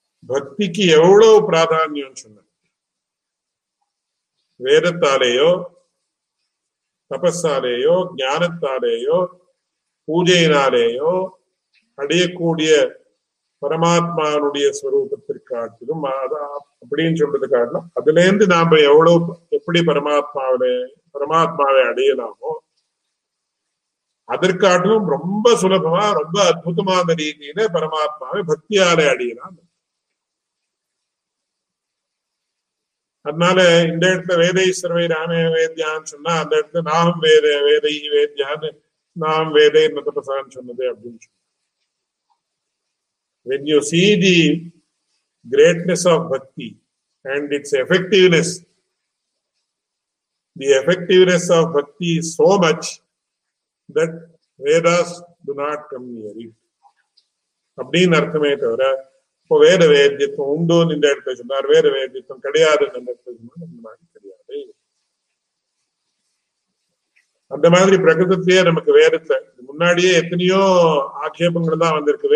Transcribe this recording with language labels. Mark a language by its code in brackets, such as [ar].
[ta] பக்திக்கு எவ்வளவு பிராதான்யம் சொன்ன வேதத்தாலேயோ தபஸாலேயோ ஞானத்தாலேயோ பூஜையினாலேயோ அடையக்கூடிய பரமாத்மானுடைய ஸ்வரூபத்திற்காட்டிலும் அப்படின்னு சொல்றதுக்காகலாம் அதுலேருந்து நாம எவ்வளவு எப்படி பரமாத்மாவை அடையலாமோ அதற்காட்டிலும் ரொம்ப சுலபமா ரொம்ப அற்புதமான ரீதியில பரமாத்மாவை பக்தியாலே அடையலாம். அதனால இந்த இடத்துல வேதேஸ்வரவை ராமே வேத்யான்னு சொன்னா அந்த இடத்துல நாம் வேத வேதை வேத்யான்னு நாம் வேதை நதபசான்னு சொன்னது அப்படின்னு சொல்லி. [en] When you see the greatness of bhakti and its effectiveness, the effectiveness of bhakti is so much that Vedas do not come near it. [ta] அப்படி அர்த்தமே தவிர இப்போ வேத வேத்தியத்துவம் உண்டு இந்த இடத்துல சொன்னார் வேத வேத்தியத்துவம் கிடையாது கிடையாது அந்த மாதிரி பிரகிருத்தியே நமக்கு வேதத்தை முன்னாடியே எத்தனையோ ஆட்சேபங்கள் தான் வந்திருக்கு.